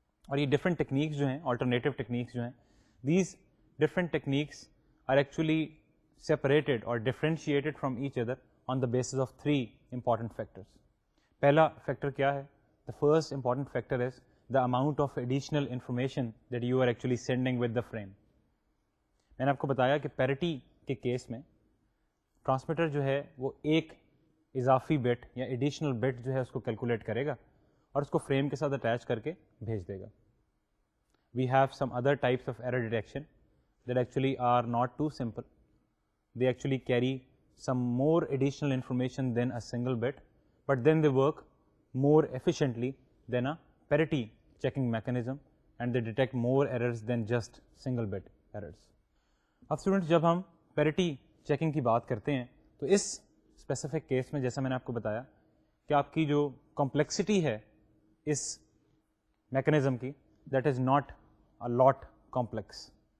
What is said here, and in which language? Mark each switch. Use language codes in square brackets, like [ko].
[ur] Aur ye different techniques jo hain, [en] alternative techniques jo hain, these different techniques are actually separated or differentiated from each other on the basis of 3 important factors. [ur] Pehla factor kya hai? [en] The first important factor is the amount of additional information that you are actually sending with the frame. [ur] Maine aapko bataya ki parity ke case mein transmitter jo hai wo ek اضافی but یا additional but جو ہے اس کو calculate کرے گا اور اس کو frame کے ساتھ اٹیچ کر کے بھیج دے گا. [en] We have some other types of error detection that actually are not too simple. They actually carry some more additional information than a single bit, but then they work more efficiently than a parity checking mechanism, and they detect more errors than just single bit errors. Now students, when we talk about parity checking, in this specific case, as I have told you, that your complexity of this mechanism ki, that is not a lot complex.